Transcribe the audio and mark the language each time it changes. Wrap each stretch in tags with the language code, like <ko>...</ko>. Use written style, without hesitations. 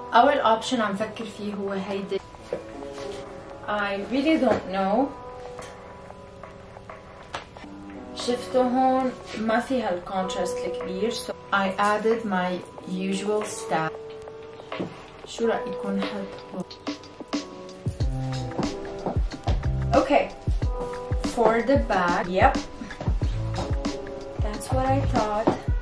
<ar>أول option عم فكر فيه هو هيدا.</ar> <en>I really don't know.</en> <ar>شفتو هون ما في هالcontrast الكبير.</ar> <en>So I added my usual stash.</en> <ar>شو رأيكم حط؟ Okay.</ar> <en>For the bag. Yep. That's what I thought.</en>